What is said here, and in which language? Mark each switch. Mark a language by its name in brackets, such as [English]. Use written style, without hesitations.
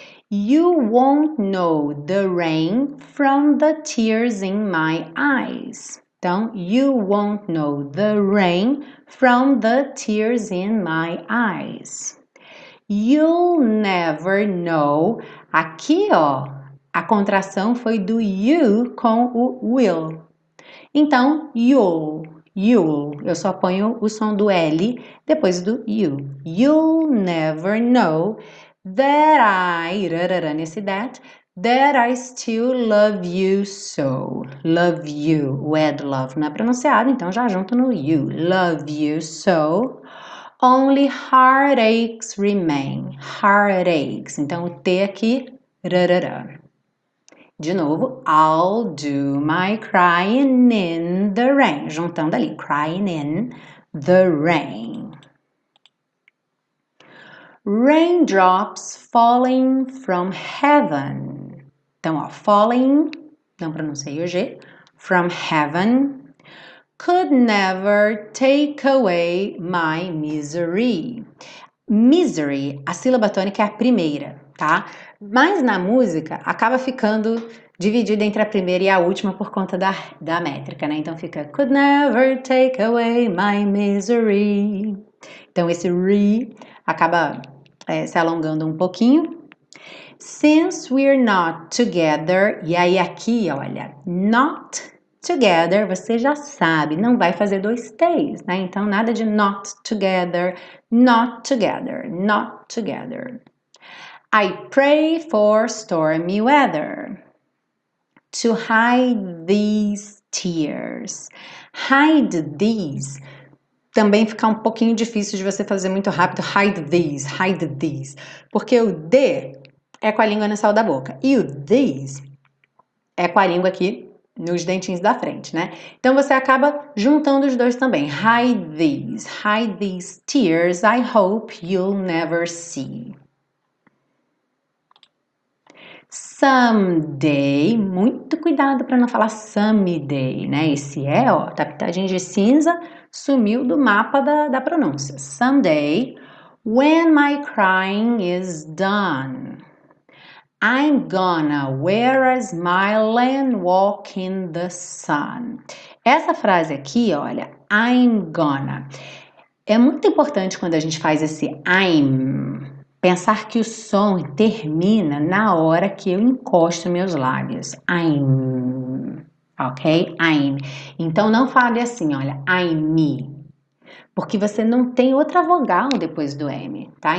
[English] You won't know the rain from the tears in my eyes. Então, you won't know the rain from the tears in my eyes. You'll never know. [Portuguese] Aqui, ó, a contração foi do you com o will. Então, you'll, You. Eu só ponho o som do L depois do you. [English] You'll never know that I, [Portuguese] nesse [English] that I still love you so. Love you. [Portuguese] Wed love não é pronunciado, então já junto no you. [English] Love you so. Only heartaches remain. Heartaches. [Portuguese] Então o T aqui, rarara. [English] De novo, I'll do my crying in the rain. [Portuguese] Juntando ali, [English] crying in the rain. Raindrops falling from heaven. Então, ó, falling, [Portuguese] não pronunciei o G, [English] from heaven could never take away my misery. [Portuguese] Misery, a sílaba tônica é a primeira, tá? Mas na música acaba ficando dividida entre a primeira e a última por conta da métrica, né? Então fica [English] could never take away my misery. [Portuguese] Então esse re acaba se alongando um pouquinho. [English] Since we're not together, [Portuguese] e aí aqui, olha, not together, você já sabe, não vai fazer dois T's, né? Então nada de not together, not together, not together. [English] I pray for stormy weather to hide these tears. Hide these. [Portuguese] Também fica um pouquinho difícil de você fazer muito rápido. [English] Hide these, [Portuguese] porque o D é com a língua no céu da boca e o these é com a língua aqui nos dentinhos da frente, né? Então você acaba juntando os dois também. [English] Hide these tears. I hope you'll never see. [Portuguese] Someday, muito cuidado para não falar someday, né? Esse é, ó, tá pintadinho de cinza, sumiu do mapa da pronúncia. [English] Someday, when my crying is done, I'm gonna wear a smile and walk in the sun. [Portuguese] Essa frase aqui, olha, I'm gonna. É muito importante quando a gente faz esse I'm. Pensar que o som termina na hora que eu encosto meus lábios. [English] I'm. Ok? I'm. [Portuguese] Então não fale assim, olha, I'm me. Porque você não tem outra vogal depois do M, tá?